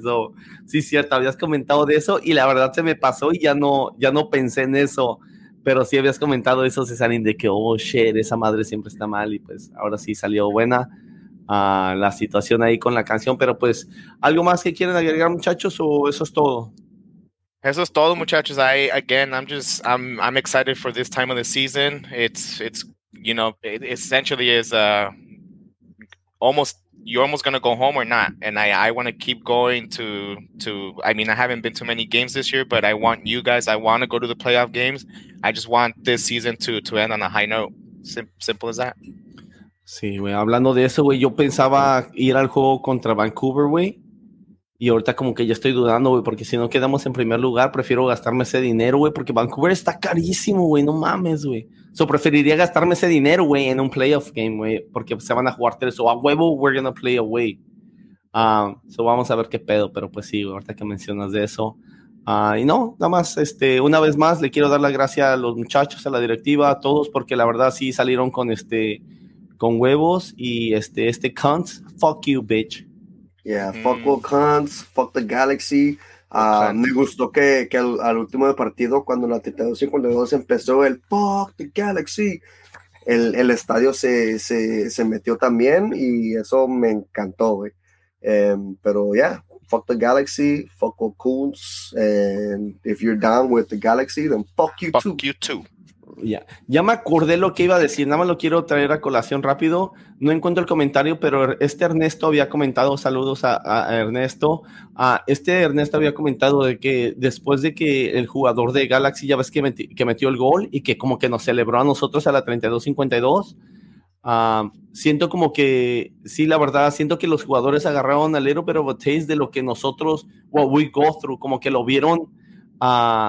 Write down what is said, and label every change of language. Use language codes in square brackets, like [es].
[es] So, sí, cierto, habías comentado de eso y la verdad se me pasó y ya no pensé en eso. Pero sí habías comentado eso, Cesarín, de que, [en] oh, shit, [es] esa madre siempre está mal. Y pues ahora sí salió buena la situación ahí con la canción, pero pues, ¿algo más que quieren agregar, muchachos, o eso es todo? Eso es todo, muchachos. [en] I'm excited for this time of the season. It's you know, it essentially is almost, you're almost gonna go home or not, and I want to keep going to I mean, I haven't been to many games this year, but I want you guys, I want to go to the playoff games. I just want this season to end on a high note. Simple as that. [es] Sí, güey, hablando de eso, güey, yo pensaba ir al juego contra Vancouver, güey, y ahorita como que ya estoy dudando, güey, porque si no quedamos en primer lugar, prefiero gastarme ese dinero, güey, porque Vancouver está carísimo, güey, no mames, güey. O sea, preferiría gastarme ese dinero, güey, en un [en] playoff game, [es] güey, porque se van a jugar tres, o a huevo, [en] we're gonna play away. [es] So vamos a ver qué pedo, pero pues sí, güey, ahorita que mencionas de eso. Y no, nada más, una vez más, le quiero dar la gracia a los muchachos, a la directiva, a todos, porque la verdad sí salieron con con huevos y este cunts, [en] fuck you, bitch. Yeah, fuck all cunts, fuck the Galaxy. [es] Me gustó que al último de partido, cuando la 32-52 empezó el [en] fuck the Galaxy, [es] el estadio se metió también y eso me encantó, güey. [en] Pero yeah, fuck the Galaxy, fuck all cunts, and if you're down with the Galaxy, then fuck you too. [es] Ya, ya me acordé lo que iba a decir, nada más lo quiero traer a colación rápido, no encuentro el comentario, pero Ernesto había comentado, saludos a Ernesto, Ernesto había comentado de que después de que el jugador de Galaxy, ya ves que metió el gol y que como que nos celebró a nosotros a la 32-52, siento como que, sí, la verdad, siento que los jugadores agarraron [en] a little bit of a taste [es] de lo que nosotros, [en] what we go through, [es] como que lo vieron a...